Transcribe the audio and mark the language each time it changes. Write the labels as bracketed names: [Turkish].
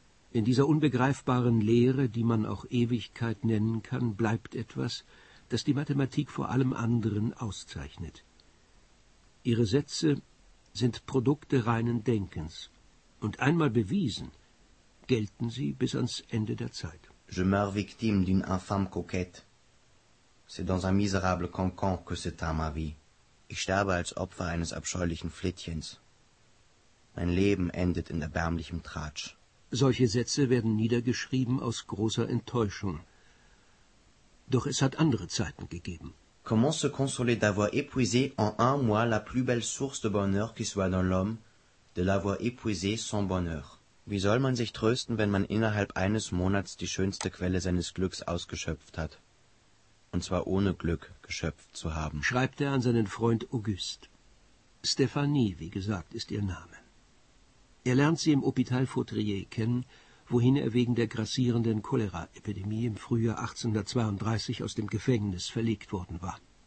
[German] In dieser unbegreifbaren Leere, die man auch Ewigkeit nennen kann, bleibt etwas, das die Mathematik vor allem anderen auszeichnet. Ihre Sätze sind Produkte reinen Denkens, und einmal bewiesen, gelten sie bis ans Ende der Zeit. [French] Je meurs victime d'une infâme coquette. C'est dans un misérable cancan que se tint ma vie. [German] Ich sterbe als Opfer eines abscheulichen Flittchens. Mein Leben endet in erbärmlichem Tratsch. Solche Sätze werden niedergeschrieben aus großer Enttäuschung. Doch es hat andere Zeiten gegeben. [French] Comment se consoler d'avoir épuisé en un mois la plus belle source de bonheur qui soit dans l'homme, de l'avoir épuisé son bonheur? [German] Wie soll man sich trösten, wenn man innerhalb eines Monats die schönste Quelle seines Glücks ausgeschöpft hat? Und zwar ohne Glück geschöpft zu haben. Schreibt er an seinen Freund Auguste. Stéphanie, wie gesagt, ist ihr Name. Er lernt sie im Hôpital Fautrier kennen, wohin er wegen der grassierenden Cholera-Epidemie im Frühjahr 1832 aus dem Gefängnis verlegt worden war.